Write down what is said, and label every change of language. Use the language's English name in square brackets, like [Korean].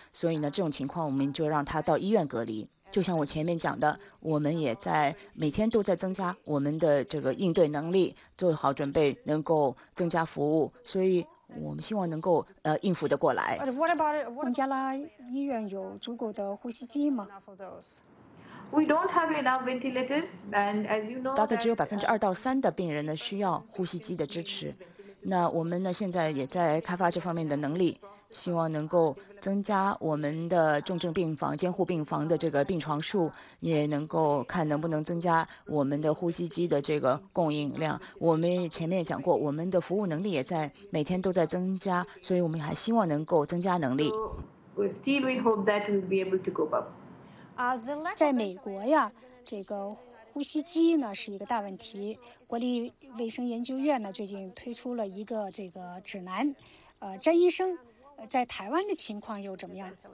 [Chinese] 所以呢，这种情况我们就让他到医院隔离。就像我前面讲的，我们也在每天都在增加我们的这个应对能力，做好准备，能够增加服务。所以我们希望能够应付得过来。孟加拉医院有足够的呼吸机吗？ [English] We don't have enough ventilators, and as you know, [Chinese] 大概只有2%-3%的病人呢需要呼吸机的支持。那我们呢现在也在开发这方面的能力，希望能够增加我们的重症病房、监护病房的这个病床数，也能够看能不能增加我们的呼吸机的这个供应量。我们前面也讲过，我们的服务能力也在每天都在增加，所以我们还希望能够增加能力。 [English] Still, we hope that we'll be able to go up. [Chinese] 在美国呀，这个呼吸机呢是一个大问题。国立卫生研究院呢最近推出了一个这个指南，詹医生。在台湾的情况又怎么样